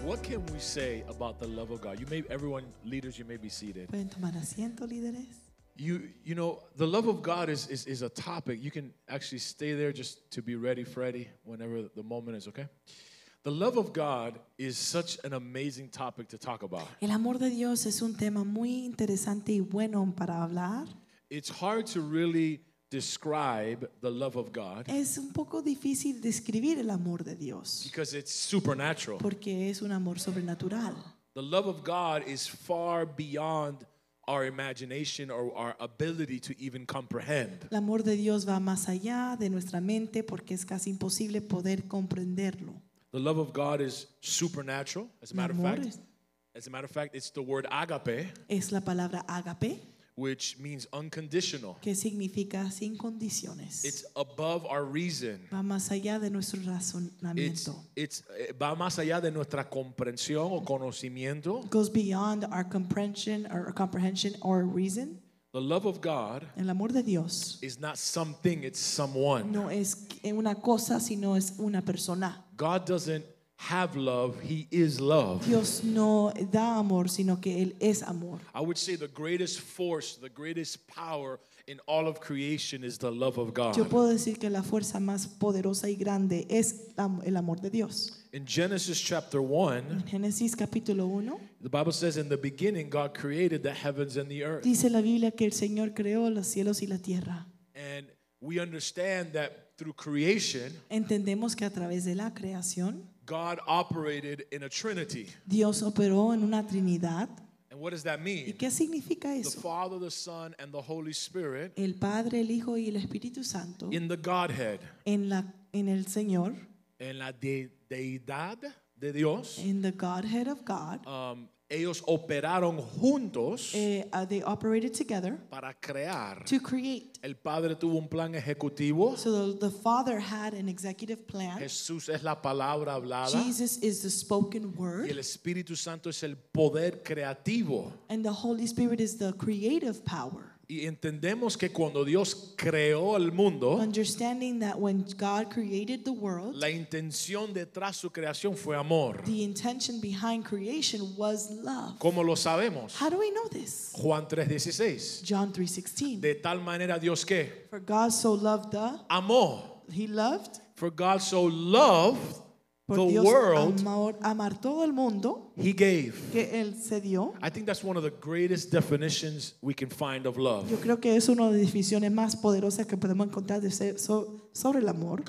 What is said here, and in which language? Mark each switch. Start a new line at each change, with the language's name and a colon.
English: What can we say about the love of God? You may, everyone, leaders, you may be seated.
Spanish: ¿Pueden tomar asiento, líderes?
English: You know, the love of God is a topic. You can actually stay there just to be ready, Freddie, whenever the moment is, okay? The love of God is such an amazing topic to talk about.
Spanish: El amor de Dios es un tema muy interesante y bueno para hablar.
English: It's hard to really describe the love of God.
Spanish: Es un poco difícil describir el amor de Dios.
English: Because it's supernatural.
Spanish: Porque es un amor sobrenatural.
English: The love of God is far beyond our imagination or our ability to even comprehend.
Spanish: El amor de Dios va más allá de nuestra mente porque es casi imposible poder comprenderlo.
English: The love of God is supernatural. As a matter of fact, it's the word agape.
Spanish: Es la palabra agape,
English: which means unconditional.
Spanish: Que significa sin condiciones.
English: It's above our reason.
Spanish: Va más allá de nuestro razonamiento. It's va más allá de nuestra comprensión o conocimiento.
English: Goes beyond our comprehension or reason. The love of God,
Spanish: el amor de Dios,
English: is not something, it's someone.
Spanish: No es una cosa, sino es una persona.
English: God doesn't have love, he is love.
Spanish: Dios no da amor, sino que él es amor.
English: I would say the greatest force, the greatest power in all of creation is the love of God.
Spanish: Yo puedo decir que la fuerza más poderosa y grande es el amor de Dios.
English: In Genesis chapter 1,
Spanish: en Génesis capítulo 1,
English: the Bible says, in the beginning God created the heavens and the earth.
Spanish: Dice la Biblia que el Señor creó los cielos y la tierra.
English: And we understand that through creation,
Spanish: entendemos que a través de la creación,
English: God operated in a Trinity.
Spanish: Dios operó en una Trinidad.
English: And what does that mean?
Spanish: ¿Y qué significa eso?
English: The Father, the Son, and the Holy Spirit.
Spanish: El Padre, el Hijo y el Espíritu Santo.
English: In the Godhead.
Spanish: En el Señor. En la deidad de Dios.
English: In the Godhead of God.
Spanish: Ellos operaron juntos.
English: They operated together.
Spanish: Para crear.
English: To create.
Spanish: El Padre tuvo un plan ejecutivo.
English: So the Father had an executive plan.
Spanish: Jesús es la palabra hablada.
English: Jesus is the spoken word.
Spanish: Y el Espíritu Santo es el poder creativo.
English: And the Holy Spirit is the creative power.
Spanish: Y entendemos que cuando Dios creó el mundo,
English: understanding that when God created the world,
Spanish: la intención detrás de su creación fue amor.
English: The intention behind creation was love.
Spanish: ¿Cómo lo sabemos?
English: How do we know this?
Spanish: Juan 3:16.
English: John 3:16.
Spanish: De tal manera Dios que,
English: for God so loved the,
Spanish: amó.
English: He loved. For God so loved the world,
Spanish: amar todo el mundo,
English: he gave.
Spanish: Que él se dio.
English: I think that's one of the greatest definitions we can find of love.
Spanish: Yo creo que es una de las definiciones más poderosas que podemos encontrar sobre el amor.